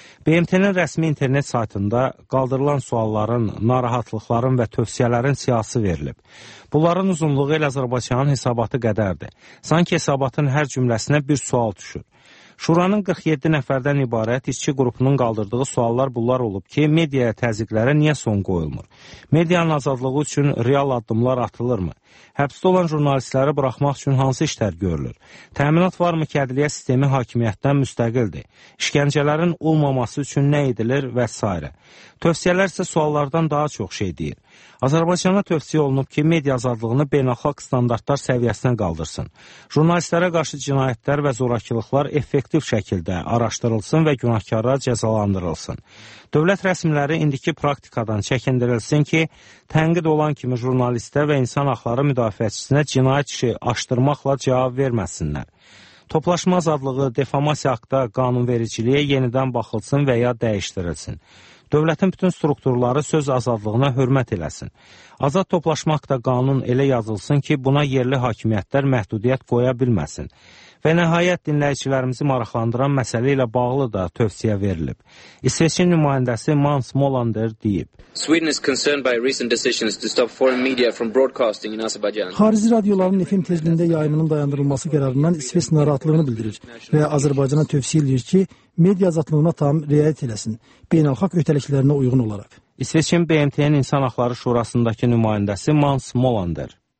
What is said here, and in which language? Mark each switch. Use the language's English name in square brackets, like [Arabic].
[Azerbaijani] BMT-nin rəsmi internet saytında qaldırılan sualların, narahatlıqların və tövsiyələrin siyasi verilib. Bunların uzunluğu ilə Azərbaycanın hesabatı qədərdir. Sanki hesabatın hər cümləsinə bir sual düşür. Şuranın 47 nəfərdən ibarət işçi qrupunun qaldırdığı suallar bunlar olub ki, mediaya təzyiqlərə niyə son qoyulmur? Medianın azadlığı üçün real addımlar atılırmı? Həbsdə olan jurnalistləri buraxmaq üçün hansı işlər görülür? Təminat varmı ki, ədliyyə sistemi hakimiyyətdən müstəqildir? İşkəncələrin olmaması üçün nə edilir və s. Tövsiyələr isə suallardan daha çox şey deyir. Azərbaycana tövsiyə olunub ki, media azadlığını beynəlxalq standartlar səviyyəsindən qaldırsın. Jurnalistlərə qarşı cinayətlər və zorakılıqlar effektiv şəkildə araşdırılsın və günahkarlar cəzalandırılsın. Dövlət rəsmiləri indiki praktikadan çəkindirilsin ki, tənqid olan kimi jurnalistə və insan haqları müdafiəçisinə cinayət işi açdırmaqla cavab verməsinlər. Toplaşma azadlığı, defamasiya haqda qanunvericiliyə yenidən baxılsın və ya dəyişdirilsin. Dövlətin bütün strukturları söz azadlığına hörmət eləsin. Azad toplaşma haqda qanun elə yazılsın ki, buna yerli hakimiyyətlər məhdudiyyət qoya bilməsin. Və nəhayət dinləyicilərimizi maraqlandıran məsələ ilə bağlı da tövsiyə verilib. İsveçin nümayəndəsi Mans Molander deyib. [English] Sweden is concerned by recent decisions to stop foreign media from broadcasting in Azerbaijan. [Azerbaijani] Xarici radioların FM tezliyində yayımının dayandırılması qərarından İsveç narahatlığını bildirir və Azərbaycana tövsiyə edir ki, media azadlığına tam riayət eləsin, beynəlxalq öhdəliklərinə uyğun olaraq. İsveçin BMT-nin İnsan Haqları Şurasındakı nümayəndəsi Mans Molander.